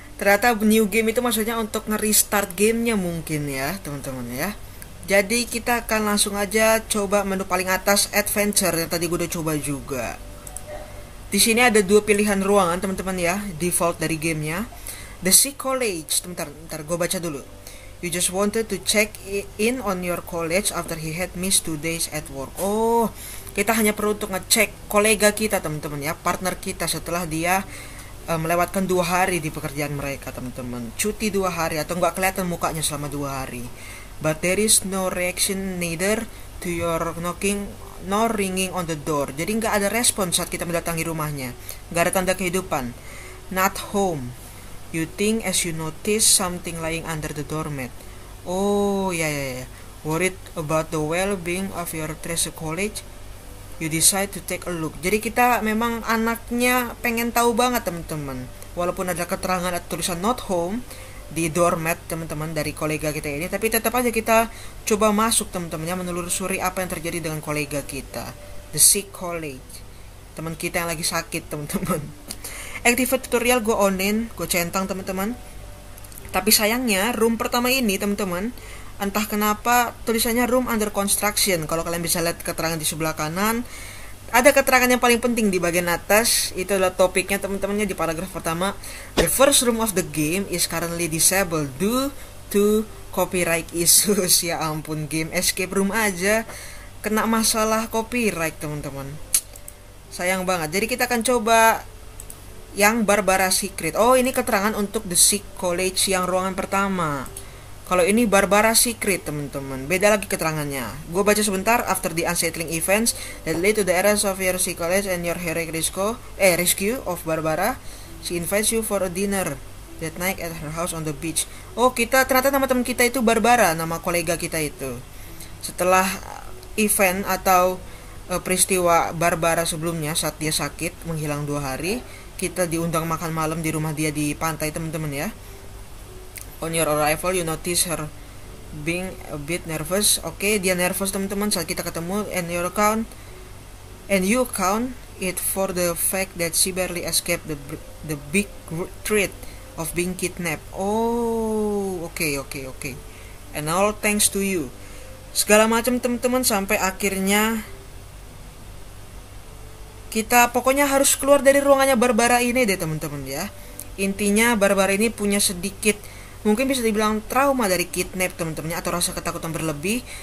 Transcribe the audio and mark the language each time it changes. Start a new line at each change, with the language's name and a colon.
Indonesian: Ternyata new game itu maksudnya untuk nge-restart gamenya mungkin ya teman-teman ya. Jadi kita akan langsung aja coba menu paling atas adventure yang tadi gue udah coba juga. Di sini ada dua pilihan ruangan teman-teman ya, default dari gamenya. The Sick College, bentar gue baca dulu.
English: You just wanted to check in on your college after he had missed 2 days at work.
Indonesian: Oh, kita hanya perlu untuk ngecek kolega kita teman-teman ya, partner kita setelah dia melewatkan 2 hari di pekerjaan mereka teman-teman. Cuti 2 hari atau nggak kelihatan mukanya selama 2 hari.
English: But there is no reaction neither to your knocking nor ringing on the door.
Indonesian: Jadi nggak ada respon saat kita mendatangi rumahnya. Nggak ada tanda kehidupan.
English: Not home. You think as you notice something lying under the doormat.
Indonesian: Oh, ya.
English: worried about the well-being of your treasure college, you decide to take a look.
Indonesian: Jadi kita memang anaknya pengen tahu banget, teman-teman. Walaupun ada keterangan atau tulisan not home di doormat, teman-teman, dari kolega kita ini, tapi tetap aja kita coba masuk, teman-temannya, menelusuri apa yang terjadi dengan kolega kita, the sick colleague, teman kita yang lagi sakit, teman-teman. Activate tutorial gue onin, gue centang, teman-teman. Tapi sayangnya room pertama ini, teman-teman, entah kenapa tulisannya
English: room under construction.
Indonesian: Kalau kalian bisa lihat keterangan di sebelah kanan, ada keterangan yang paling penting di bagian atas. Itu adalah topiknya, teman-temannya, di paragraf pertama.
English: The first room of the game is currently disabled due to copyright issues.
Indonesian: Ya ampun, game escape room aja kena masalah copyright, teman-teman. Sayang banget. Jadi kita akan coba yang Barbara Secret. Oh, ini keterangan untuk the Sick College yang ruangan pertama. Kalau ini Barbara Secret, teman-teman, beda lagi keterangannya. Gue baca sebentar.
English: After the unsettling events that lead to the errors of your sick college and your heroic rescue of Barbara, she invites you for a dinner that night at her house on the beach.
Indonesian: Oh, kita ternyata nama teman kita itu Barbara, nama kolega kita itu. Setelah event atau peristiwa Barbara sebelumnya saat dia sakit menghilang 2 hari, kita diundang makan malam di rumah dia di pantai, teman-teman, ya.
English: On your arrival, you notice her being a bit nervous. Okay,
Indonesian: dia nervous, teman-teman, saat kita ketemu.
English: And you count it for the fact that she barely escaped the big threat of being kidnapped. Okay. And all thanks to you.
Indonesian: Segala macam, teman-teman, sampai akhirnya kita pokoknya harus keluar dari ruangannya Barbara ini deh, teman-teman, ya. Intinya Barbara ini punya sedikit, mungkin bisa dibilang trauma dari kidnap, teman-temannya, atau rasa ketakutan berlebih.